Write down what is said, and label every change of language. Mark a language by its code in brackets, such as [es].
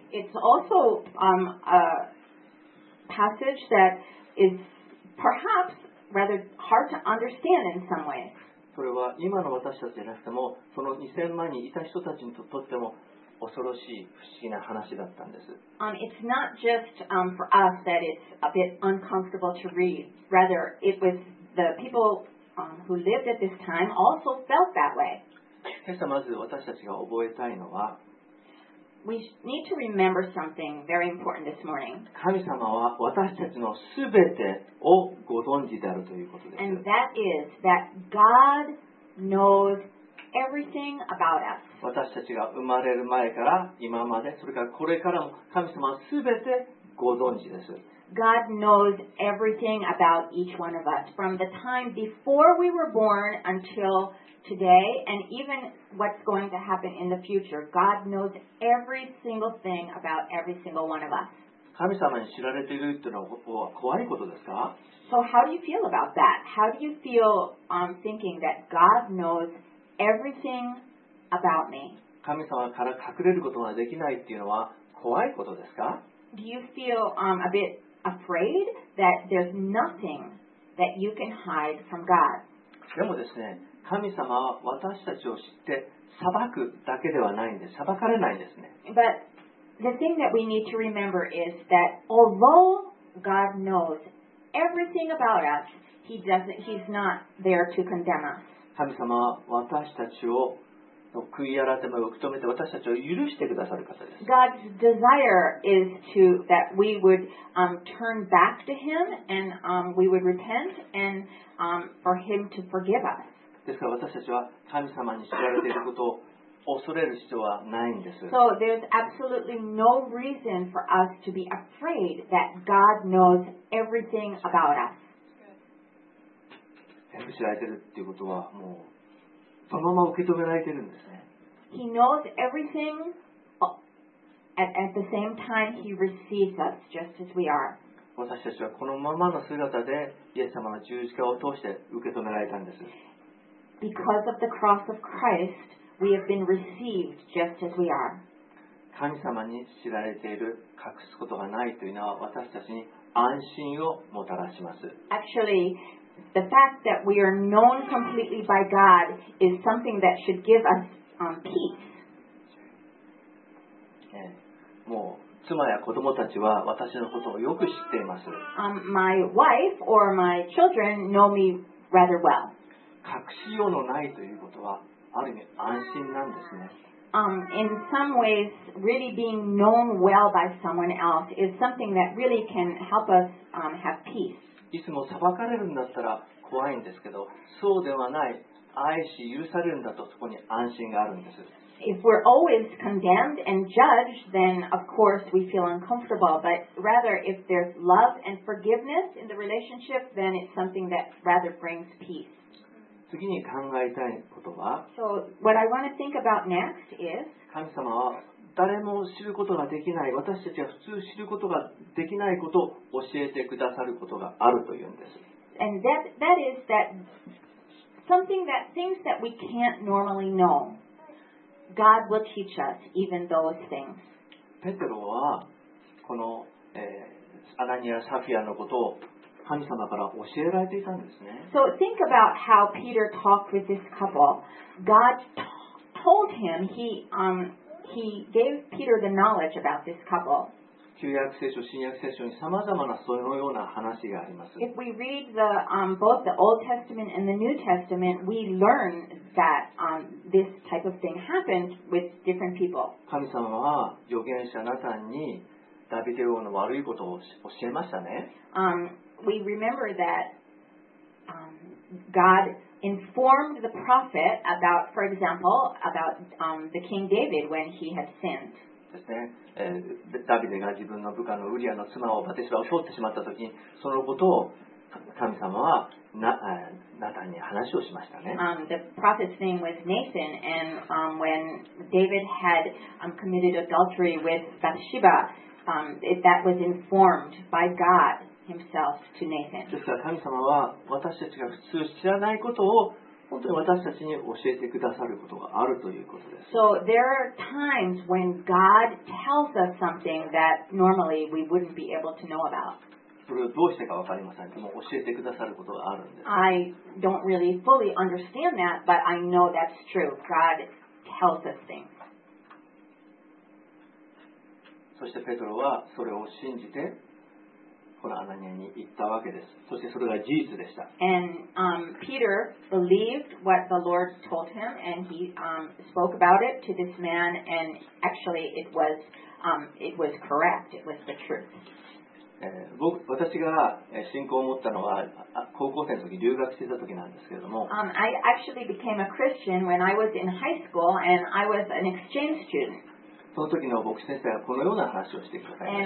[en] It's also a passage that is perhaps rather hard to understand in some ways. [ja] それは今の私たちじゃなくてもその2000万人いた人たちにとっても恐ろしい不思議な話だったんです。 [en] It's not just for us that it's a bit uncomfortable to read. Rather, it was the people who lived at this time also felt that way. [ja] 今朝まず私たちが覚えたいのは [en] We need to remember something very important this morning. [ja] 神様は私たちのすべてをご存知であるということです。 [en] And that is that God knows everything about us. [ja] 私たちが生まれる前から今まで、それからこれからも神様はすべてご存知です。 [en] God knows everything about each one of us from the time before we were born until today and even what's going to happen in the future. God knows every single thing about every single one of us. [ja] 神様に知られているっていうのは怖いことですか? [en] So how do you feel about that? How do you feel thinking that God knows everything about me? [ja] 神様から隠れることができないっていうのは怖いことですか? [en] Do you feel a bit afraid that there's nothing that you can hide from God? [ja] でもですね神様は私たちを知って裁くだけではないんです。裁かれないんですね。 [en] But the thing that we need to remember is that although God knows everything about us, He's not there to condemn us. [ja] 神様は私たちを悔い改めを求めて私たちを許してくださる方です。 [en] God's desire is to that we would turn back to Him and we would repent and for Him to forgive us. [ja] ですから私たちは神様に知られていることを恐れる必要はないんです。 [en] So there's absolutely no reason for us to be afraid that God knows everything about us. [ja] 全部知られているということはもうそのまま受け止められているんですね。 [en] He knows everything, but at the same time He receives us just as we are. [ja] 私たちはこのままの姿でイエス様の十字架を通して受け止められたんです。 [en] because of the cross of Christ, we have been received just as we are. [ja] 神様に知られている隠すことがないというのは私たちに安心をもたらします。 [en] Actually, the fact that we are known completely by God is something that should give us peace. [ja] もう妻や子供たちは私のことをよく知っています。 [en] My wife or my children know me rather well. [ja] 隠しようのないということはある意味安心なんですね。 [en] In some ways, really being known well by someone else is something that really can help us have peace. [ja] いつも裁かれるんだったら怖いんですけど、そうではない。愛し許されるんだとそこに安心があるんです。 [en] If we're always condemned and judged, then of course we feel uncomfortable. But rather, if there's love and forgiveness in the relationship, then it's something that rather brings peace. [ja] 次に考えたいことは、 [en] So what I want to think about next is, [ja] 神様は誰も知ることができない、私たちは普通知ることができないことを教えてくださることがあるというんです。 [en] And that is that something that things that we can't normally know. God will teach us even those things. [ja] ペテロはこの、アナニア・サフィアのことを神様から教えられていたんですね。 [en] So think about how Peter talked with this couple. God told him, he gave Peter the knowledge about this couple. [ja] 旧約聖書、新約聖書にさまざまなそのような話があります。 [en] If we read the, both the Old Testament and the New Testament, we learn that this type of thing happened with different people. [ja] 神様は預言者ナタンにダビデ王の悪いことを教えましたね。 [en] We remember that God informed the prophet about, for example, about the King David when he had sinned. [ja] ですね、ダビデが自分の部下のウリアの妻をバテシバを襲ってしまった時に、そのことを神様はナタンに話をしましたね。 [en] The prophet's name was Nathan, and when David had committed adultery with Bathsheba, that was informed by God himself to Nathan. [ja] ですから神様は私たちが普通知らないことを本当に私たちに教えてくださることがあるということです。 [en] So there are times when God tells us something that normally we wouldn't be able to know about. [ja] それどうしてか分かりません。でも教えてくださることがあるんです。 [en] I don't really fully understand that, but I know that's true. God tells us things. [ja] そしてペトロはそれを信じて、このアナニアに言ったわけです。そしてそれが事実でした。 [en] And Peter believed what the Lord told him, and he spoke about it to this man, and actually it was correct. It was the truth. [ja] 私が信仰を持ったのは高校生の時、留学していた時なんですけれども、 [en] I actually became a Christian when I was in high school and I was an exchange student. [ja] その時の牧師先生がこのような話をしてくださいました。